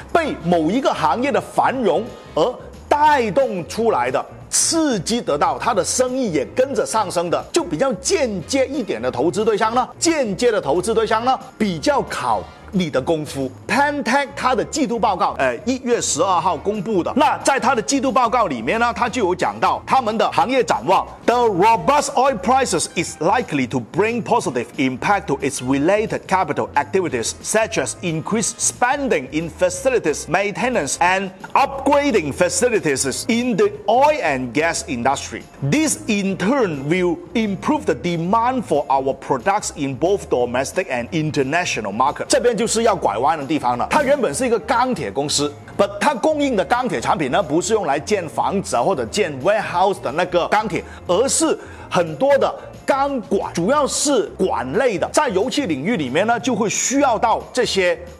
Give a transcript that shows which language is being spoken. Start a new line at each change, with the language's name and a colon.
Chinese: 被某一个行业的繁荣而带动出来的，刺激得到他的生意也跟着上升的，就比较间接一点的投资对象呢？间接的投资对象呢，比较考你的功夫。 Pantech 它的季度报告1月12号公布的，那在它的季度报告里面呢，它就有讲到他们的行业展望。
English: The robust oil prices is likely to bring positive impact to its related capital activities such as increased spending in facilities maintenance and upgrading facilities in the oil and gas industry. This in turn will improve the demand for our products in both domestic and international markets.
Chinese: 这边就是要拐弯的地方了。它原本是一个钢铁公司，不，它供应的钢铁产品呢，不是用来建房子或者建 warehouse 的那个钢铁，而是很多的钢管，主要是管类的，在油气领域里面呢，就会需要到这些